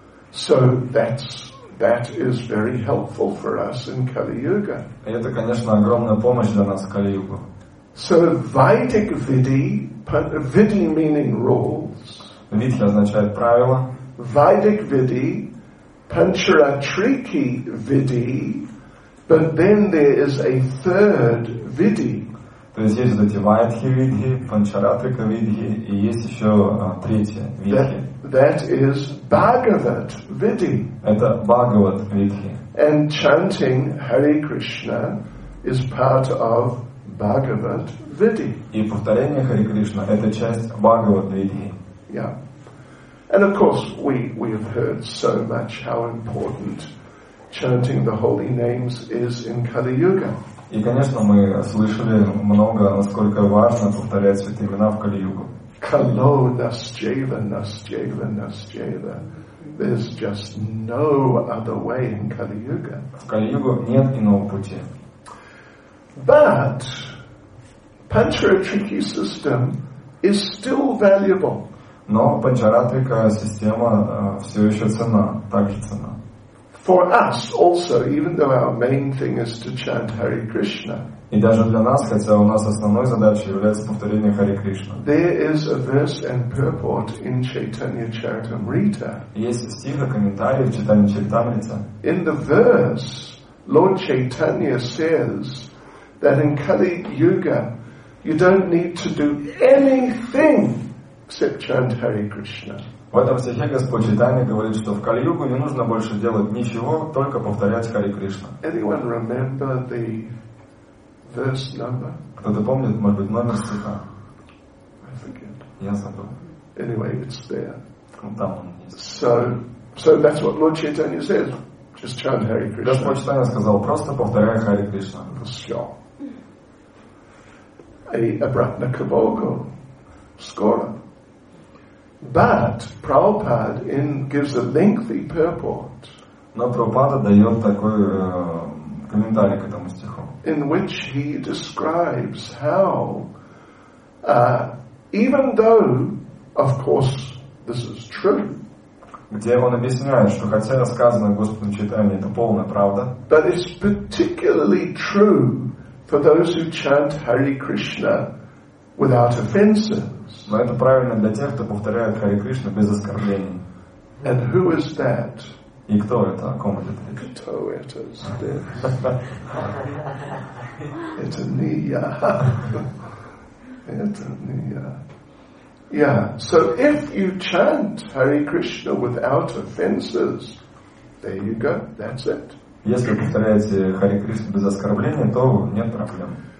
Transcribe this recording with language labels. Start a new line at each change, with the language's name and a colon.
English: So that is very helpful for us in Kali Yuga.
Russian: Это, конечно, огромная помощь для нас в Кали Юге.
English: So Vedic Vidhi, Vidhi meaning rules.
Russian: Vidhi означает правила.
English: Vedic Vidhi, Pancharatriki Vidhi, but then there is a third Vidhi.
Russian: То есть есть вот эти вайдхи видхи, панчаратрика видхи, и есть еще третья видхи.
English: That is Bhagavat Vidhi.
Russian: Это Бхагават видхи.
English: And chanting Hare Krishna is part of Bhagavat Vidhi.
Russian: И повторение Hare Krishna это часть Бхагават видхи.
English: Yeah. And of course we have heard so much how important chanting the holy names is in Kali Yuga.
Russian: И, конечно, мы слышали много, насколько важно повторять святые имена в Кали-Югу.
Sanskrit: Kalo nascheva, nascheva, nascheva.
English: There's just no other way in Kali-Yuga.
Russian: В Кали-Югу нет иного пути.
English: But Pancharatriki system is still valuable.
Russian: Но Панчаратрика система все еще цена, так же цена.
English: For us also, even though our main thing is to chant Hare Krishna.
Russian: И даже для нас, хотя у нас основной задачей является повторение Hare Krishna.
English: There is a verse and purport in Chaitanya Charitamrita.
Russian: Есть стих и комментарий в Чайтанья Чаритамрите.
English: In the verse, Lord Chaitanya says that in Kali Yuga you don't need to do anything except chant Hare Krishna.
Russian: В этом стихе Господь Чайтанья говорит, что в Кали-Югу не нужно больше делать ничего, только повторять Хари Кришна.
English: Anyone remember the verse number?
Russian: Кто-то помнит, может быть, номер стиха?
English: I forget.
Russian: Я забыл.
English: Anyway, it's there.
Russian: Там он есть.
English: So that's what Lord Chaitanya says. Just chant Hare Krishna.
Russian: Господь Чайтанья сказал, просто повторяй Харе Кришна. Все. И обратно к Богу. Скоро.
English: But Prabhupada gives a lengthy purport.
Russian: Но Прабхупада дает такой комментарий к этому стиху.
English: In which he describes how, even though, of course, this is true.
Russian: Где он объясняет, что хотя сказано Господом Чайтанья, это полная правда.
English: But it's particularly true for those who chant Hare Krishna without offenses.
Russian: Но это правильно для тех, кто повторяет Харе Кришна без оскорблений.
English: And who is that?
Russian: И кто это? О ком это речь? Кто это здесь? Это не я. Это не я.
English: Yeah, so if you chant Hare Krishna without offenses, there you go, that's it.
Russian: Если повторяете Харе Кришна без оскорблений, то нет проблем.